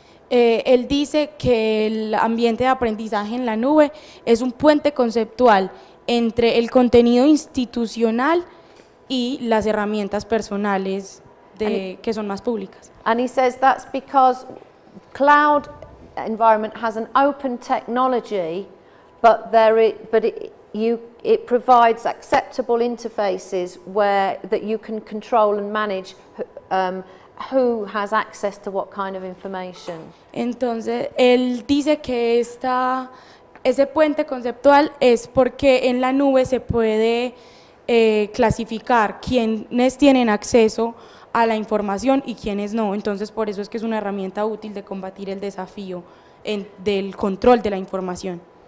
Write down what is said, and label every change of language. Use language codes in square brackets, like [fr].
[es] Él dice que el ambiente de aprendizaje en la nube es un puente conceptual entre el contenido institucional y las herramientas personales que son más públicas. [en] And he says that's because cloud environment has an open technology, but it provides acceptable interfaces where that you can control and manage who has access to what kind of information. [es] Entonces, él dice que ese puente conceptual es porque en la nube se puede clasificar quiénes tienen acceso a la información y quiénes no. Entonces, por eso es que es una herramienta útil de combatir el desafío del control de la información.